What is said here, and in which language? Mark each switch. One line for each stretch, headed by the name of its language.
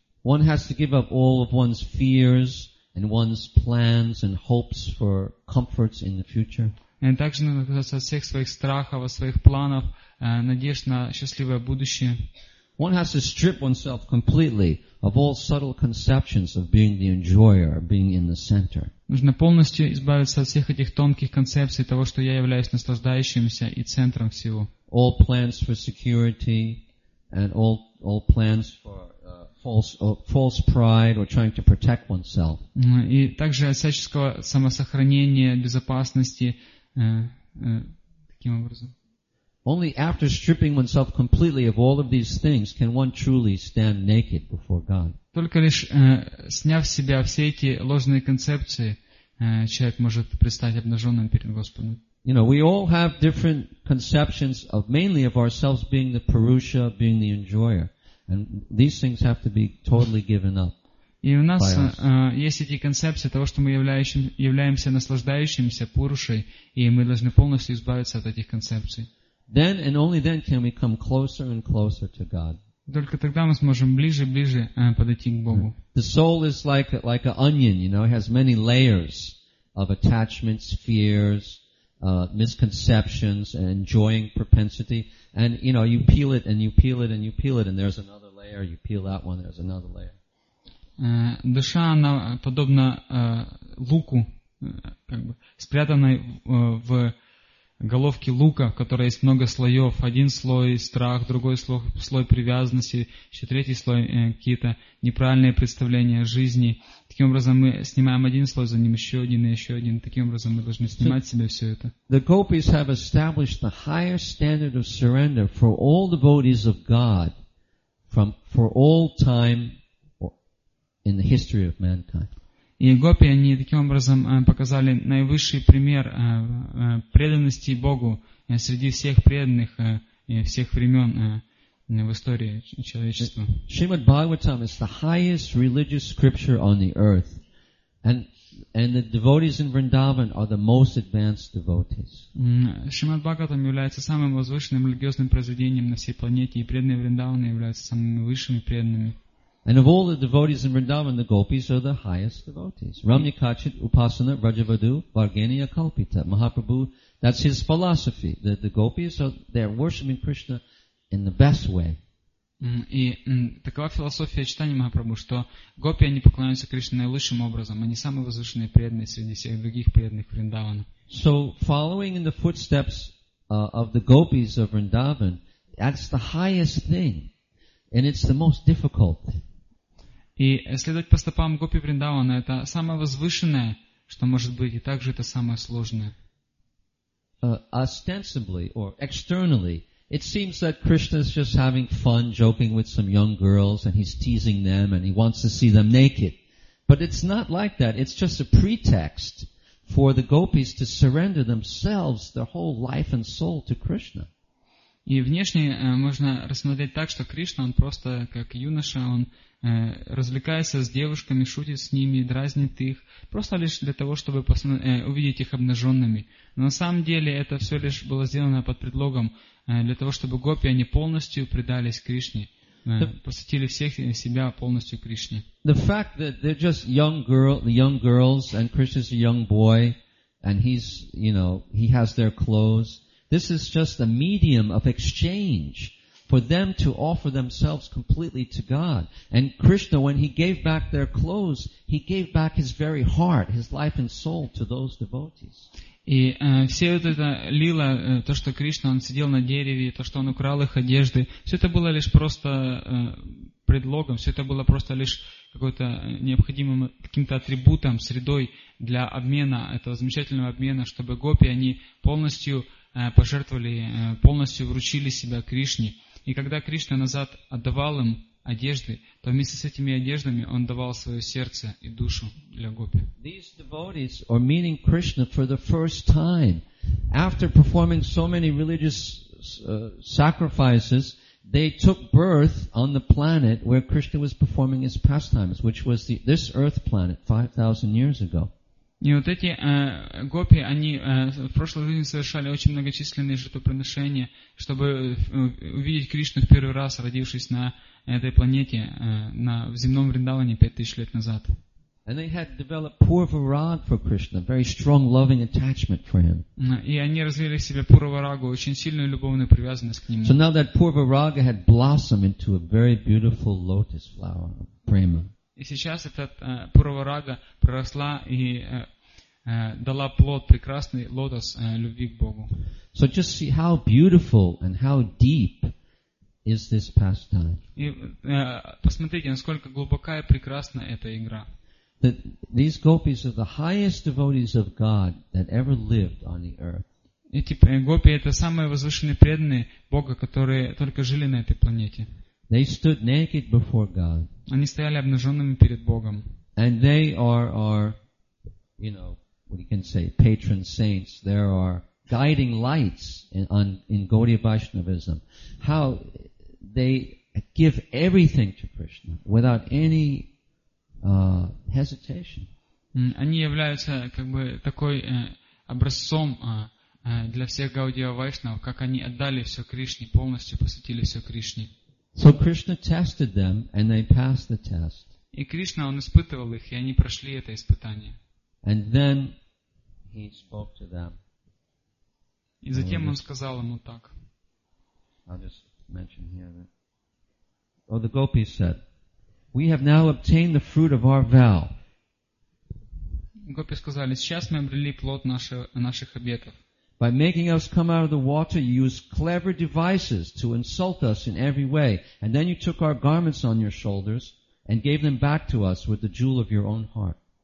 English: One has to give up all of one's fears and one's plans and hopes for comforts in the future.
Russian: И также нужно отказаться от всех своих страхов, от своих планов, надежд на счастливое будущее.
English: One has to strip oneself completely of all subtle conceptions of being the enjoyer, being in the center.
Russian: Нужно полностью избавиться от всех этих тонких концепций того, что я являюсь наслаждающимся и центром всего.
English: All plans for security and all plans for false pride or trying to protect oneself.
Russian: И также от всяческого самосохранения, безопасности таким образом.
English: Only after stripping oneself completely of all of these things can one truly stand naked before God.
Russian: Только лишь сняв с себя все эти ложные концепции, человек может предстать обнаженным перед Господом.
English: You know, we all have different conceptions of mainly of ourselves being the Purusha, being the enjoyer. And these things have to be totally given up.
Russian: И у нас есть эти концепции того, что мы являемся наслаждающимся Пурушей, и мы должны полностью избавиться от этих концепций.
English: Then and only then can we come closer and closer to God.
Russian: Только тогда мы сможем ближе и ближе подойти к Богу.
English: The soul is like an onion, you know, it has many layers of attachments, fears, misconceptions, and enjoying propensity. And you know, you peel it and you peel it and you peel it, and there's another layer. You peel that one, there's another layer.
Russian: Душа, она подобна луку, как бы спрятанной в головке лука, в которой есть много слоев. Один слой – страх, другой слой – привязанности, еще третий слой – какие-то неправильные представления о жизни. Таким образом, мы снимаем один слой, за ним еще один и еще один. Таким образом, мы должны снимать с себя все это.
English: The gopis have established the higher standard of surrender for all devotees of God from for all time in the history of mankind.
Russian: И гопи, они таким образом показали наивысший пример преданности Богу среди всех преданных всех времен в истории человечества.
English: Shrimad Bhagavatam is the highest religious scripture on the earth. And the devotees in Vrindavan are the most advanced devotees.
Russian: Shrimad Bhagavatam является самым возвышенным религиозным произведением на всей планете, и преданные Вриндаваны являются самыми высшими преданными.
English: And of all the devotees in Vrindavan, the gopis are the highest devotees. Ramnikachit, Upasana, Rajavadu, Varganiya, Kalpita, Mahaprabhu, that's his philosophy. The gopis are they're worshipping Krishna in the best way.
Russian: И такова философия читания Махапрабху, что гопи они поклоняются Кришне наилучшим образом, они самые возвышенные преданные среди всех других преданных Вриндавана.
English: So following in the footsteps of the gopis of Vrindavan, that's the highest thing. And it's the most difficult.
Russian: И следовать по стопам Гопи Вриндавана это самое возвышенное, что может быть, и также это самое сложное.
English: Ostensibly or externally, it seems that Krishna is just having fun joking with some young girls and he's teasing them and he wants to see them naked. But it's not like that. It's just a pretext for the gopis to surrender themselves, their whole life and soul to Krishna.
Russian: И внешне можно рассмотреть так, что Кришна, он просто как юноша, он развлекается с девушками, шутит с ними, дразнит их, просто лишь для того, чтобы увидеть их обнаженными. Но на самом деле это все лишь было сделано под предлогом для того, чтобы гопи, они полностью предались Кришне, посвятили всех себя полностью Кришне.
English: The fact that they're just young girls, and Krishna's a young boy, and he's, you know, he has their clothes. This is just a medium of exchange for them to offer themselves completely to God. And Krishna, when he gave back their clothes, he gave back his very heart, his life and soul to those devotees.
Russian: И все вот это лила, то, что Кришна, он сидел на дереве, то, что он украл их одежды, все это было лишь просто предлогом, все это было просто лишь какой-то необходимым каким-то атрибутом, средой для обмена, этого замечательного обмена, чтобы гопи, они полностью пожертвовали, полностью вручили себя Кришне. И когда Кришна назад отдавал им одежды, то вместе с этими одеждами он давал свое сердце и душу для гопи.
English: These devotees are meeting Krishna for the first time. After performing so many religious sacrifices, they took birth on the planet where Krishna was performing his pastimes, which was this earth planet 5,000 years ago.
Russian: И вот эти гопи, они в прошлой жизни совершали очень многочисленные жертвоприношения, чтобы увидеть Кришну в первый раз, родившись на этой планете, в земном Вриндаване 5000 лет назад.
English: And they had developed Purvarag for Krishna, very strong loving attachment for him.
Russian: И они развили в себе Пурварагу, очень сильную любовную привязанность к нему.
English: So now that Purvaraga had blossomed into a very beautiful lotus flower, prema.
Russian: И сейчас этот Пурварага проросла и дала плод, прекрасный лотос любви к Богу.
English: So just see how beautiful and how deep is this pastime.
Russian: И посмотрите, насколько глубока и прекрасна эта игра.
English: That these gopis are the highest devotees of God that ever lived on the earth.
Russian: Эти гопи это самые возвышенные преданные Бога, которые только жили на этой планете.
English: They stood naked before God.
Russian: Они стояли обнаженными перед Богом.
English: And they are, you know, what you can say, patron saints. There are guiding lights in Gaudiya Vaishnavism. How they give everything to Krishna without any hesitation.
Russian: Они являются как бы такой образцом для всех Гаудия Вайшнав, как они отдали все Кришне, полностью посвятили все Кришне.
English: So Krishna tested them, and they passed the test.
Russian: И Кришна, Он испытывал их, и они прошли это испытание.
English: And then He spoke to them.
Russian: И затем Он сказал ему так.
English: I'll just mention here that... Oh, the gopis said, we have now obtained the fruit of our vow.
Russian: Гопи сказали, сейчас мы обрели плод наших обетов.
English: By making us come out of the water, you used clever devices to insult us in every way. And then you took our garments on your shoulders and gave them back to us with the jewel of your own heart.